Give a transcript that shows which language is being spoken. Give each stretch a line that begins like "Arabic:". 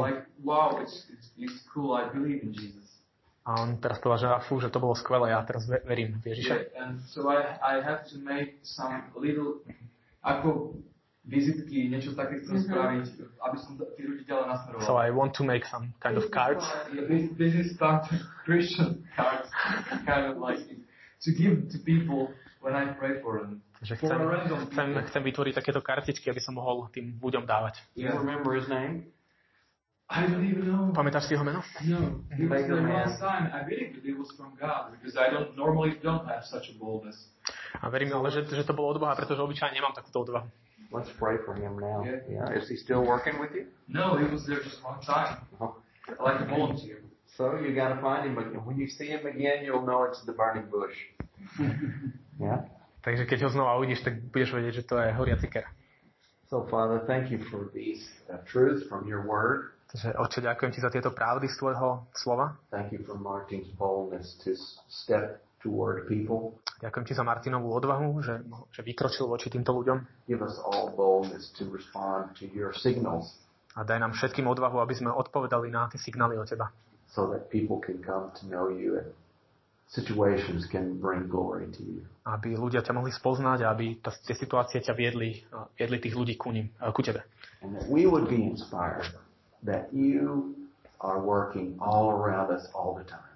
English: Like, wow, it's cool, I believe in Jesus.
Slovak: A on teraz povedal, že fú, že to bolo skvelé, ja teraz verím v Ježiša.
English: Yeah, and so I have to make some little...
Slovak: vizitky, niečo také chcem spraviť, aby som tí ľudí ďalej nasmeroval.
English: So I want to make some kind of cards. This is start Christian cards, kind of like to give to people when I pray for them.
Slovak: Že chcem vytvoriť takéto kartičky, aby som mohol tým ľuďom dávať.
English: Do you remember his name? I don't even know.
Slovak: Pamätáš si jeho meno?
English: No. It was the last time. I really believe it was from God, because I don't normally don't have such a boldness.
Slovak: A verím, ale že to bolo od Boha, pretože obyčajne nemám takúto odvahu.
English: Let's pray for him now. Yeah. Is he still working with you? No, he was there just one time. Oh. Like a volunteer. So you got to find him, but when you see him again, you'll know it's the burning bush. Yeah.
Slovak: Takže keď ho znova uvidíš, tak budeš vedieť, že to je horiaci ker.
English: So Father, thank you for these truths from your word.
Slovak: Takže Otče, ďakujem ti za tieto pravdy z tvojho slova.
English: Thank you for Martin's boldness to step toward people.
Slovak: Ďakujem ti za Martinovú odvahu, že vykročil voči týmto ľuďom.
English: Give us all boldness to respond to your signals.
Slovak: A daj nám všetkým odvahu, aby sme odpovedali na tie signály od teba.
English: So that people can come to know you and situations can bring glory to you.
Slovak: Aby ľudia ťa mohli spoznať a aby tie situácie ťa viedli tých ľudí ku tebe.
English: And that we would be inspired that you are working all around us all the time.